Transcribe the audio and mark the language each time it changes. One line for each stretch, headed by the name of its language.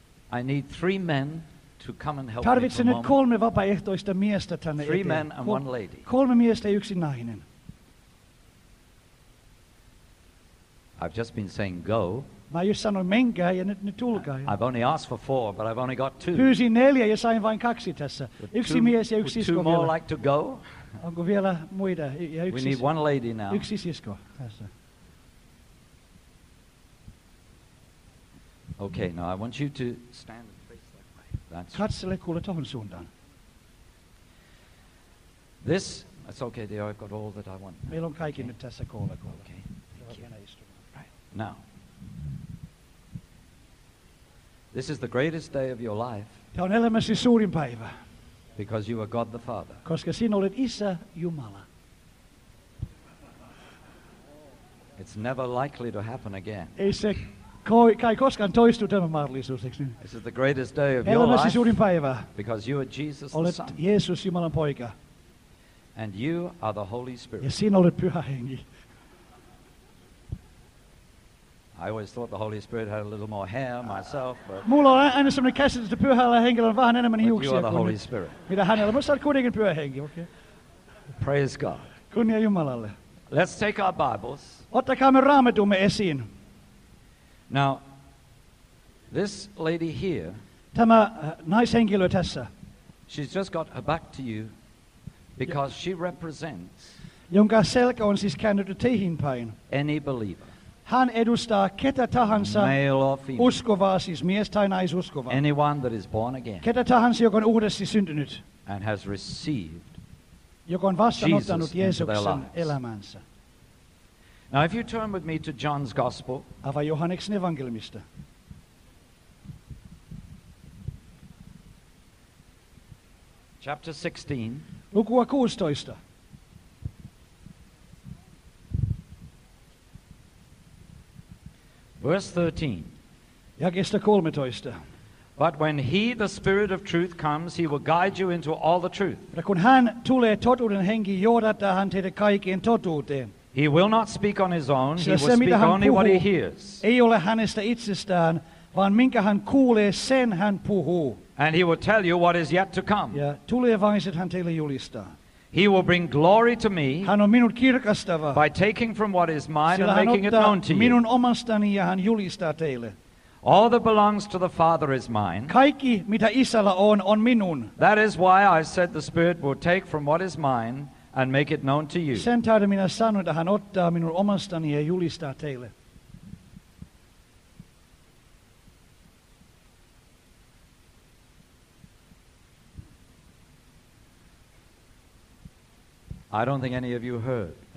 English: I need three men to come and help me.
Finnish: Tarvitsen nyt kolme vapaaehtoista miestä tänne eteen.
English: Three men and one lady.
Finnish: Kolme miestä ja yksi nainen.
English: I've just been saying go.
Finnish: Mä just sanoin menkää ja nyt tulkaa.
English: I've only asked for four, but I've only got two.
Finnish: Pyysin neljä ja sain vain kaksi tässä. Yksi mies ja yksi sisko.
English: Two more like to go?
Finnish: Onko vielä muita? Ja yksi.
English: We need one lady now.
Finnish: Yksi sisko tässä.
English: Okay, now I want you to stand and face that way.
Finnish: That's katsele kuule tohon suuntaan.
English: This, that's okay, dear, I've got all that I want.
Finnish: Meillä on kaikki nyt tässä kuule.
English: Okay, thank you. Right. Now, this is the greatest day of your life.
Finnish: Tämä on elämäsi suurin päivä.
English: Because you are God the Father.
Finnish: Koska sinä olet Isä Jumala.
English: It's never likely to happen again.
Finnish: Ei se kai koskaan toistuu tämä mahdollisuus, eikö niin?
English: This is the greatest day of
Finnish: elämäsi
English: your life.
Finnish: Suurin päivä.
English: Because you are Jesus
Finnish: olet
English: the Son.
Finnish: Jeesus, Jumalan poika.
English: And you are the Holy Spirit.
Finnish: Ja sinä olet Pyhä Henki.
English: I always thought the Holy Spirit had a little more hair myself, but
Finnish: mulla on aina semmoinen käsitys, että Pyhällä Hengellä on vähän enemmän hiuksia.
English: But you are the Holy Spirit.
Finnish: Mitä hänellä, mutta sä olet kuitenkin Pyhä Henki, okei.
English: Okay. Praise God.
Finnish: Kunnia Jumalalle.
English: Let's take our Bibles.
Finnish: Ottakaa me Raamatumme esiin.
English: Now, this lady here,
Finnish: tämä naishenkilö tässä,
English: she's just got her back to you because she represents,
Finnish: jonka selkä on siis käännetty teihin päin,
English: any believer.
Finnish: Hän edustaa ketä tahansa uskovaa, siis mies tai naisuskovaa.
English: Anyone that is born again.
Finnish: Ketä tahansa, joka on uudesti syntynyt.
English: And has received
Finnish: joka on vastaanottanut Jeesuksen elämänsä.
English: Now if you turn with me to John's gospel.
Finnish: Ava Johanneksen evankeliumista.
English: Chapter 16.
Finnish: Lukua 16.
English: Verse 13.
Finnish: Jakeesta 13.
English: But when he, the Spirit of truth, comes, he will guide you into all the truth.
Finnish: Mutta kun hän tulee totuuden henki, johdattaa hän teitä kaikkeen totuuteen.
English: He will not speak on his own. He will speak only what he hears.
Finnish: Ei ole hänestä itsestään, vaan minkä hän kuulee, sen hän puhuu.
English: And he will tell you what is yet to come.
Finnish: Ja tulevaiset hän teille julistaa.
English: He will bring glory to me.
Finnish: Hän on minut kirkastava.
English: By taking from what is mine and making it known to you.
Finnish: Minun omastani ja hän julistaa teille.
English: All that belongs to the Father is mine.
Finnish: Kaikki mitä Isällä on minun.
English: That is why I said the Spirit will take from what is mine and make it known to you.
Finnish: Sen tähden minä sanon, että hän ottaa minun omastani ja julistaa teille.
English: I don't think any of you heard.